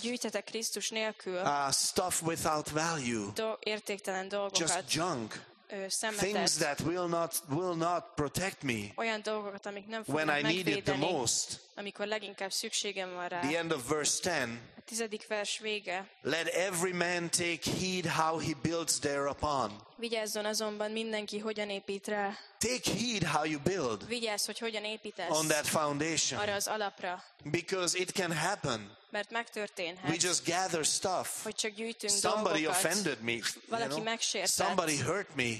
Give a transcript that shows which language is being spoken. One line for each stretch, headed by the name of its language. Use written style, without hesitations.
Hungarian: Gyűjthetek Krisztus nélkül.
English: Stuff without value.
Hungarian: Értéktelen dolgokat.
English: Just junk.
Hungarian: Szemetet.
English: Things that will not protect me.
Hungarian: Olyan dolgokat, amik nem fognak
English: when I
Hungarian: megvédeni,
English: need it the most.
Hungarian: Amikor leginkább szükségem van rá.
English: The end of verse 10.
Hungarian: A tizedik vers vége.
English: Let every man take heed how he builds thereupon.
Hungarian: Vigyázzon azonban mindenki, hogyan épít rá.
English: Take heed how you build.
Hungarian: Vigyázz, hogy hogyan építesz.
English: On that foundation.
Hungarian: Arra az alapra.
English: Because it can happen.
Hungarian: Mert megtörténhet.
English: We just gather stuff.
Hungarian: Hogy csak gyűjtünk dolgokat.
English: Somebody offended me.
Hungarian: Valaki megsértett.
English: Somebody hurt me.